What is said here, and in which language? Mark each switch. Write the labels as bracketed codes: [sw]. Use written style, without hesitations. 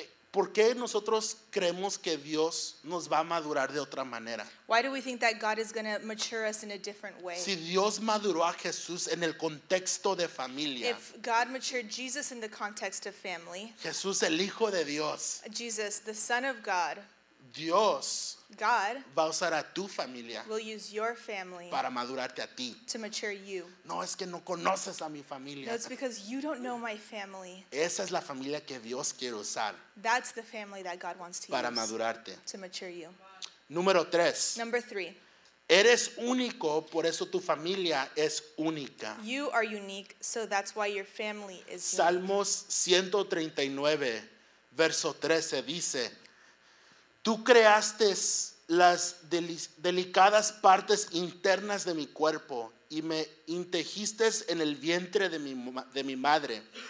[es] ¿Por qué nosotros creemos que Dios nos va a madurar de otra manera? [en] Why do we think that God is going to mature us in a different way? [es] Si Dios maduró a Jesús en el contexto de familia. [en] If God matured Jesus in the context of family. [es] Jesús, el Hijo de Dios. [en] Jesus, the Son of God. [es] Dios. [en] God [es] va a usar a tu familia [en] will use your family [es] para madurarte a ti. [en] To mature you. [es] No, es que no conoces a mi familia. [en] No, it's because you don't know my family. [es] Esa es la familia que Dios quiere usar. [en] That's the family that God wants to [es] para [en] use. [es] Para madurarte. [en] To mature you. [es] Número tres. [en] Number three. [es] Eres único, por eso tu familia es única. [en] You are unique, so that's why your family is unique. [es] Salmos 139, verso 13 dice: Tú creaste las delicadas partes internas de mi cuerpo y me intejiste en el vientre de mi madre.